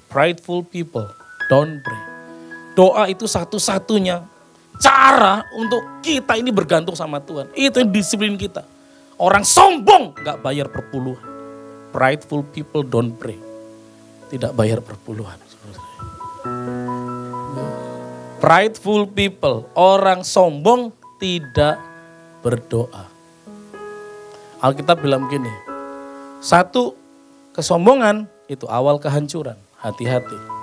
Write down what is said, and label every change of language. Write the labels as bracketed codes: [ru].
[en] Prideful people don't pray. [id] Doa itu satu-satunya cara untuk kita ini bergantung sama Tuhan. Itu yang disiplin kita. Orang sombong gak bayar perpuluhan. [en] Prideful people don't pray. [id] Tidak bayar perpuluhan. [en] Prideful people, [id] orang sombong tidak berdoa. Alkitab bilang gini, satu kesombongan itu awal kehancuran, hati-hati.